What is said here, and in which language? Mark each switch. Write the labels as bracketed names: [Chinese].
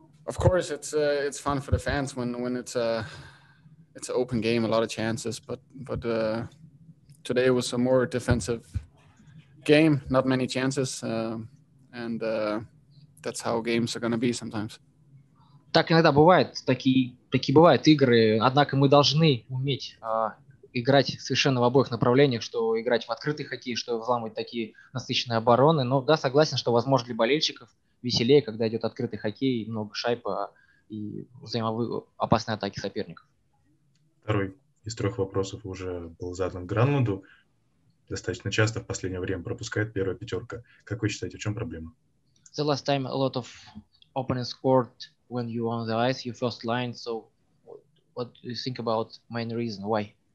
[English] Of course, it's fun for the fans when it's an open game, a lot of chances. But today was a more defensive game, not many chances, and that's how games are gonna be sometimes. [Russian] Так иногда бывает, такие бывают игры, однако мы должны уметь играть совершенно в обоих направлениях, что играть в открытый хоккей, что взламывать такие насыщенные обороны, но да, согласен, что возможно для болельщиков веселее, когда идет открытый хоккей, много шайба и опасные атаки соперников. Второй из трех вопросов уже был задан Гранлунду. Достаточно часто в последнее время пропускает первая пятерка. Как вы считаете, в чем проблема? [English] The last time a lot of opponents scored when you were on the ice, your first line. So what do you think about main reason why?